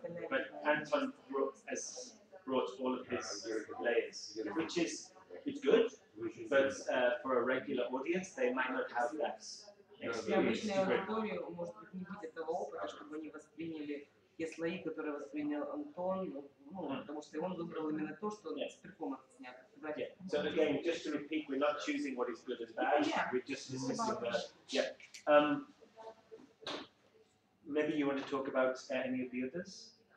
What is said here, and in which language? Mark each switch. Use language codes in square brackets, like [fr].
[en] But Anton has brought all of his layers, which is it's good, but for a regular audience, they might not have that experience. [ru] Те слои, которые воспринял Антон, потому что он выбрал именно то, что с перформанса снято. [en] So again, just to repeat, we're not choosing what is good and bad, we're just discussing that. Yeah. Maybe you want to talk about any of the others?